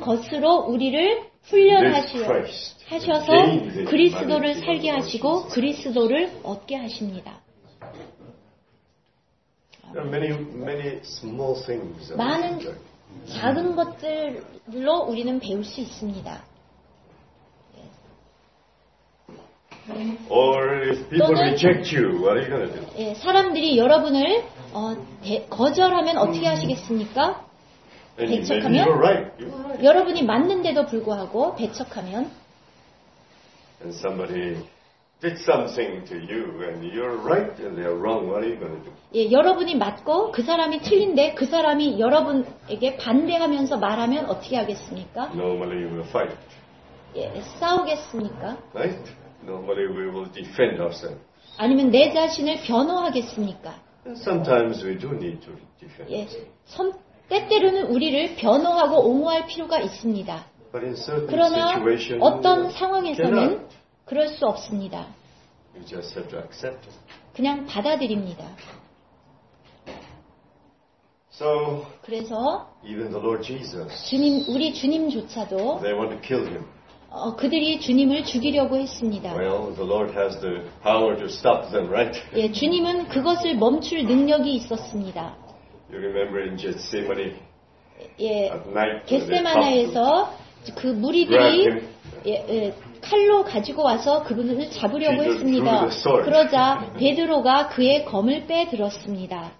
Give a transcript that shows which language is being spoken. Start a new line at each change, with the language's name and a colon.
Korean: 것으로 우리를 훈련하셔서 그리스도를 살게 하시고 그리스도를 얻게 하십니다.
English: There are many, many small things.
Korean: 많은 작은 것들로 우리는 배울 수 있습니다.
English: Or if people reject you, what are you going to do?
Korean: 예, 사람들이 여러분을 거절하면 어떻게 하시겠습니까? 배척하면?
English: You're right. You're right.
Korean: 여러분이 맞는데도 불구하고 배척하면?
English: And somebody did something to you and you're right and they're wrong. What are you going to do?
Korean: 예, 여러분이 맞고 그 사람이 틀린데 그 사람이 여러분에게 반대하면서 말하면 어떻게 하겠습니까?
English: Normally we will fight.
Korean: 예, 싸우겠습니까?
English: Right? Normally we will defend ourselves.
Korean: 아니면 내 자신을 변호하겠습니까?
English: And sometimes we do need to defend.
Korean: 예, 때때로는 우리를 변호하고 옹호할 필요가 있습니다.
English: But in certain
Korean: 그러나
English: situation,
Korean: 어떤 상황에서는 그럴 수 없습니다.
English: You just have to accept it.
Korean: 그냥 받아들입니다.
English: So,
Korean: 그래서
English: even the Lord Jesus,
Korean: 주님, 우리 주님조차도
English: they want to kill him.
Korean: 그들이 주님을 죽이려고 했습니다.
English: Well, the Lord has the power to stop them, right?
Korean: 예, 주님은 그것을 멈출 능력이 있었습니다.
English: You remember in Gethsemane?
Korean: 예, at night, 겟세마네에서 그 무리들이 칼로 가지고 와서 그분을 잡으려고 했습니다. 그러자 베드로가 그의 검을 빼들었습니다.